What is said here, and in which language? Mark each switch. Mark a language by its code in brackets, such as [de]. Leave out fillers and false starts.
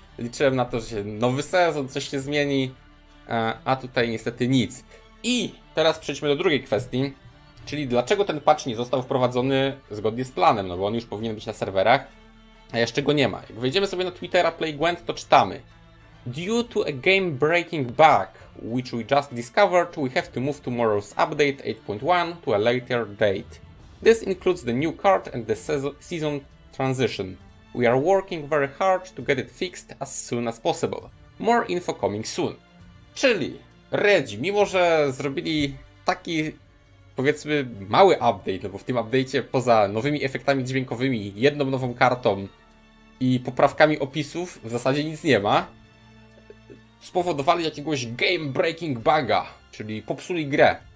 [pl] Liczyłem na to, że się nowy sezon, coś się zmieni. A tutaj niestety nic. I teraz przejdźmy do drugiej kwestii. Czyli dlaczego ten patch nie został wprowadzony zgodnie z planem? No bo on już powinien być na serwerach, a jeszcze go nie ma. Jak wejdziemy sobie na Twittera PlayGwent, to czytamy. [en] Due to a game-breaking bug, which we just discovered, we have to move tomorrow's update 8.1 to a later date. This includes the new card and the season transition. We are working very hard to get it fixed as soon as possible. More info coming soon. [pl] Czyli Redzi, mimo że zrobili taki, powiedzmy, mały update, no bo w tym update'cie poza nowymi efektami dźwiękowymi, jedną nową kartą i poprawkami opisów, w zasadzie nic nie ma, spowodowali jakiegoś game breaking buga, czyli popsuli grę.